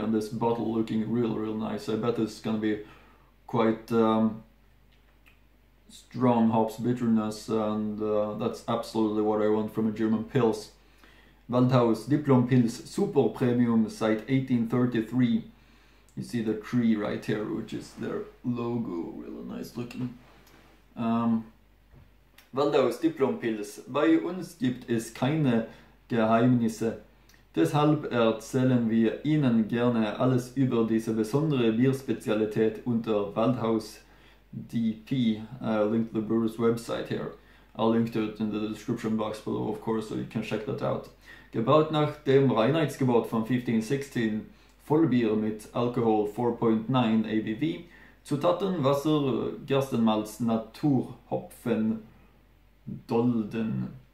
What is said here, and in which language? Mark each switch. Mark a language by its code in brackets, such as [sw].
[en] And this bottle looking really, really nice. I bet this is gonna be quite strong hops bitterness, and that's absolutely what I want from a German pils. Waldhaus Diplom Pils Super Premium seit 1833. You see the tree right here, which is their logo, really nice looking. [de] Waldhaus Diplom Pils, bei uns gibt es keine Geheimnisse. Deshalb erzählen wir Ihnen gerne alles über diese besondere Bierspezialität unter Waldhaus DP. [en] I'll link the brewer's website here. I'll link to it in the description box below, of course, so you can check that out. [de] Gebaut nach dem Reinheitsgebot von 1516, Vollbier mit Alkohol 4.9 ABV, Zutaten Wasser, Gerstenmalz, Naturhopfen, Dolden.